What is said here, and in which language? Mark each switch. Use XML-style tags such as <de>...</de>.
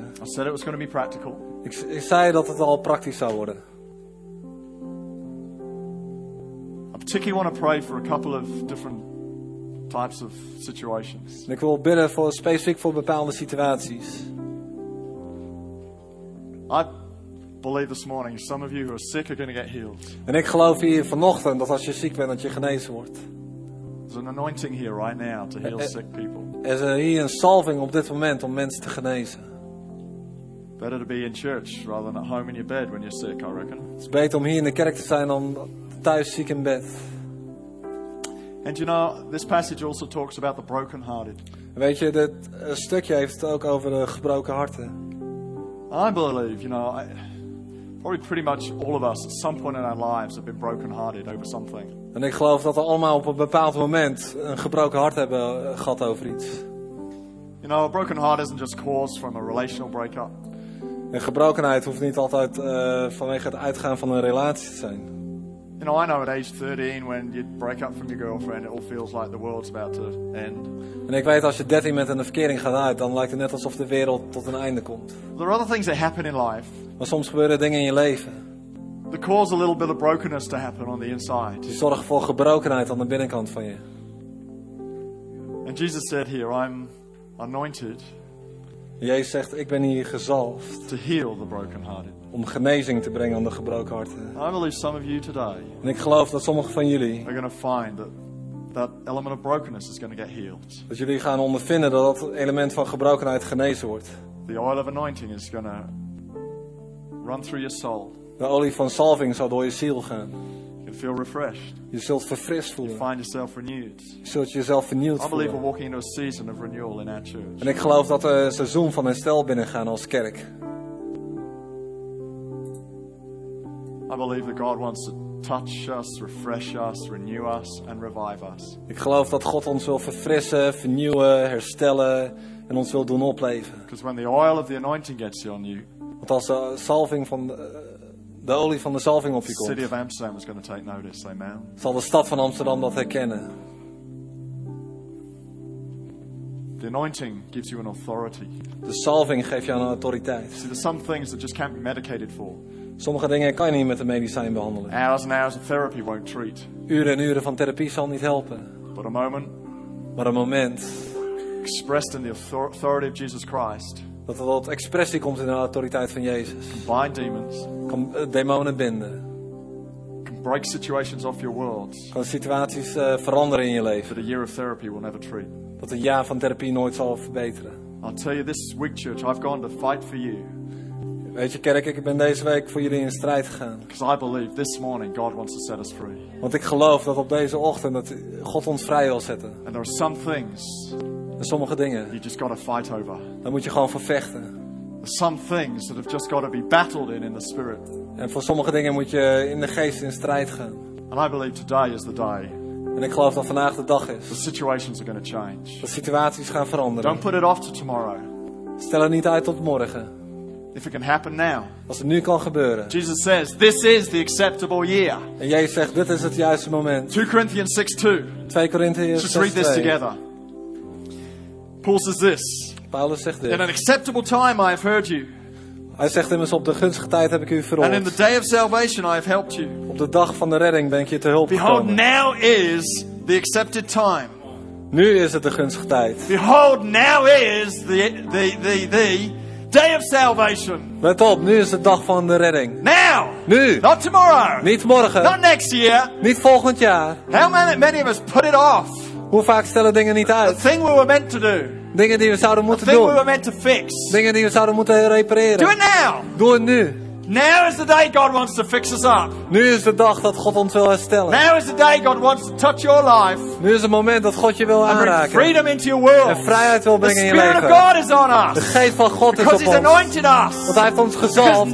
<en>I said it was going to be practical.</en> <nl>Ik zei dat het al praktisch zou worden.</nl> <en>I particularly want to pray for a couple of different types of situations.</en> <nl>Ik wil bidden voor specifiek voor bepaalde situaties.</nl> <en>Believe this morning, some of you who are sick are going to get healed.</en> <nl>En ik geloof hier vanochtend dat als je ziek bent, dat je genezen wordt.</nl> <en>There's an anointing here right now to heal sick people.</en> <nl>Er is hier een salving op dit moment om mensen te genezen.</nl> <en>Better to be in church rather than at home in your bed when you're sick, I reckon.</en> <nl>Het is beter om hier in de kerk te zijn dan thuis ziek in bed.</nl> <en>And you know, this passage also talks about the brokenhearted.</en> <nl>Weet je, dit stukje heeft het ook over de gebroken harten.</nl> <en>I believe, you know, probably pretty much all of us at some point in our lives have been broken-hearted over something.</en> <nl>En ik geloof dat we allemaal op een bepaald moment een gebroken hart hebben gehad over iets.</nl> <en>You know, a broken heart isn't just caused from a relational breakup.</en> <nl>Een gebrokenheid hoeft niet altijd vanwege het uitgaan van een relatie te zijn.</nl> <en>You know, I know at age 13 when you break up from your girlfriend, it all feels like the world's about to end.</en> <nl>En ik weet als je 13 bent en de verkering gaat uit, dan lijkt het net alsof de wereld tot een einde komt.</nl> <en>There are other things that happen in life.</en> <nl>Maar soms gebeuren dingen in je leven.</nl> <en>They cause a little bit of brokenness to happen on the inside.</en> <nl>Die zorgen voor gebrokenheid aan de binnenkant van je.</nl> <en>And Jesus said here, I'm anointed.</en> <nl>Jezus zegt, ik ben hier gezalfd.</nl> <en>To heal the brokenhearted.</en> <nl>Om genezing te brengen aan de gebroken harten.</nl> <en>I believe some of you today.</en> <nl>En ik geloof dat sommigen van jullie.</nl> <en>Are going to find that element of brokenness is going to get healed.</en> <nl>Dat jullie gaan ondervinden dat dat element van gebrokenheid genezen wordt.</nl> <en>The oil of anointing is going to run through your soul.</en> <nl>De olie van salving zal door je ziel gaan.</nl> <en>You feel refreshed.</en> <nl>Je zult verfrist voelen.</nl> <en>You find yourself renewed.</en> <nl>Je zult jezelf vernieuwd voelen.</nl> <en>I believe we're walking into a season of renewal in our church.</en> <nl>En ik geloof dat we een seizoen van herstel binnengaan als kerk.</nl> <en>I believe that God wants to touch us, refresh us, renew us and revive us.</en> <nl>Ik geloof dat God ons wil verfrissen, vernieuwen, herstellen en ons wil doen opleven.</nl> <en>Because when the oil of the anointing gets on you.</en> <nl>Want als de salving van de olie van de zalving op je komt.</nl> <en>City of Amsterdam is going to take notice, amen.</en> <nl>Zal de stad van Amsterdam dat herkennen?</nl> <en>The anointing gives you an authority.</en> <nl>De zalving geeft je een autoriteit.</nl> <en>See, there's some things that just can't be medicated for.</en> <nl>Sommige dingen kan je niet met een medicijn behandelen.</nl> <en>Hours and hours of therapy won't treat.</en> <nl>Uren en uren van therapie zal niet helpen.</nl> <en>But a moment.</en> <nl>Maar een moment.</nl> <en>Expressed in the authority of Jesus Christ.</en> <nl>Dat er wat expressie komt in de autoriteit van Jezus.</nl> <en>Combine demons.</en> <nl>Kan demonen binden.</nl> <en>Can break situations off your world.</en> <nl>Kan situaties veranderen in je leven.</nl> <en>That a year of therapy will never treat.</en> <nl>Dat een jaar van therapie nooit zal verbeteren.</nl> <en>I'll tell you this week, church, I've gone to fight for you.</en> <nl>Weet je, kerk, ik ben deze week voor jullie in strijd gegaan.</nl> <en>Because I believe this morning God wants to set us free.</en> <nl>Want ik geloof dat op deze ochtend dat God ons vrij wil zetten.</nl> <en>And there are some things.</en> <nl>En sommige dingen.</nl> <en>You just gotta fight over.</en> <nl>Dan moet je gewoon voor vechten.</nl> <en>Some things that have just gotta be battled in the spirit.</en> <nl>En voor sommige dingen moet je in de geest in strijd gaan.</nl> <en>And I believe today is the day.</en> <nl>En ik geloof dat vandaag de dag is.</nl> <en>The situations are gonna change.</en> <nl>De situaties gaan veranderen.</nl> <en>Don't put it off to tomorrow.</en> <nl>Stel het niet uit tot morgen.</nl> <en>If it can happen now.</en> <nl>Als het nu kan gebeuren.</nl> <en>Jesus says, this is the acceptable year.</en> <nl>En Jezus zegt, dit is het juiste moment.</nl> <en>2 Corinthians 6:2. 2 Corinthians 6:2. Just read this together. Paul says this.</en> <nl>Paulus zegt dit.</nl> <en>In an acceptable time I have heard you.</en> <nl>Hij zegt immers op de gunstige tijd heb ik u verhoord.</nl> <en>And in the day of salvation I have helped you.</en> <nl>Op de dag van de redding ben ik je te hulp</nl> <en>Behold,</en> <nl>gekomen.</nl> <en>Now is the accepted time.</en> <nl>Nu is het de gunstige tijd.</nl> <en>Behold, now is the day of salvation.</en> <nl>Let op, nu is de dag van de redding.</nl> <en>Now.</en> <nl>Nu.</nl> <en>Not tomorrow.</en> <nl>Niet morgen.</nl> <en>Not next year.</en> <nl>Niet volgend jaar.</nl> <en>How many of us put it off?</en> <nl>Hoe vaak stellen dingen niet uit?</nl> <en>The thing we were meant to do.</en> <nl>Dingen die we zouden moeten doen.</nl> <en>The thing we were meant to fix.</en> <nl>Dingen die we zouden moeten repareren.</nl> <en>Do it now.</en> <nl>Doe het nu.</nl> <en>Now is the day God wants to fix us up.</en> <nl>Nu is de dag dat God ons wil herstellen.</nl> <en>Now is the day God wants to touch your life.</en> <nl>Nu is het moment dat God je wil aanraken.</nl> <en>Freedom into your world.</en> <nl>En vrijheid wil brengen in je leven.</nl> <en>The Spirit of God is on us.</en> <nl>De geest van God is op ons.</nl> <en>Because He's anointed us.</en> <nl>Want Hij heeft ons gezalfd.</nl>